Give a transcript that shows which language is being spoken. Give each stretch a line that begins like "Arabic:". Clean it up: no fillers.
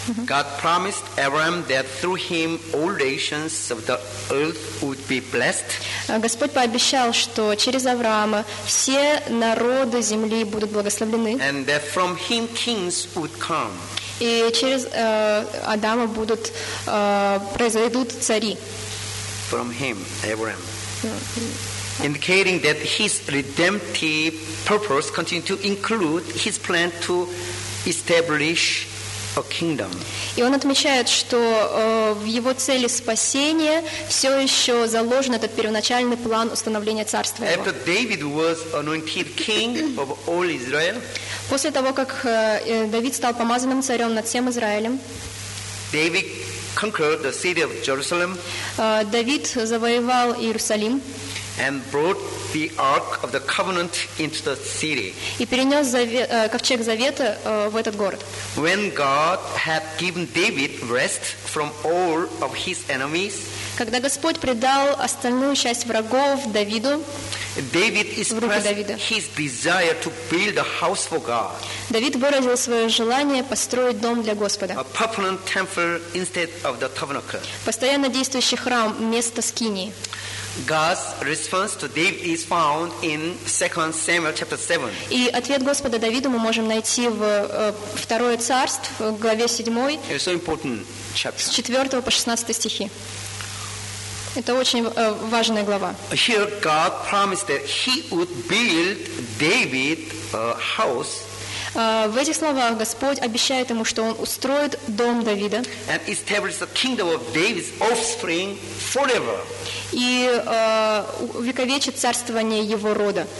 English: God promised Abraham that through him all nations of the earth would be blessed.
Russian: Господь пообещал, что через Авраама все народы земли будут благословлены.
English: And that from him kings would come.
Russian: И через Адама будут произойдут цари.
English: From him, Abraham. Indicating that his redemptive purpose continued to include his plan to establish a kingdom.
Russian: И он отмечает, что в его цели спасения все еще заложен этот первоначальный план установления царства его.
English: After David was anointed king of all Israel,
Russian: после того, как Давид стал помазанным царем над всем Израилем,
English: David conquered the city of Jerusalem.
Russian: Давид завоевал Иерусалим.
English: And brought the Ark of the Covenant into the city.
Russian: И перенес ковчег завета в этот город.
English: When God had given David rest from all of his enemies,
Russian: когда Господь предал остальную часть врагов Давиду,
English: David expressed his desire to build a house for God.
Russian: Давид выразил свое желание построить дом для Господа.
English: A permanent temple instead of the tabernacle.
Russian: Постоянно действующий храм вместо скинии.
English: God's response to David is found in 2 Samuel chapter 7.
Russian: И ответ Господа Давиду мы можем найти в Второе Царство, в главе 7.
English: It's so important chapter.
Russian: С 4 по 16 стихи. Это очень важная глава.
English: Here God promised that he would build David a house.
Russian: В этих словах Господь обещает ему, что он устроит дом Давида.
English: And establish the kingdom of David's offspring forever.
Russian: И увековечит царствование его рода.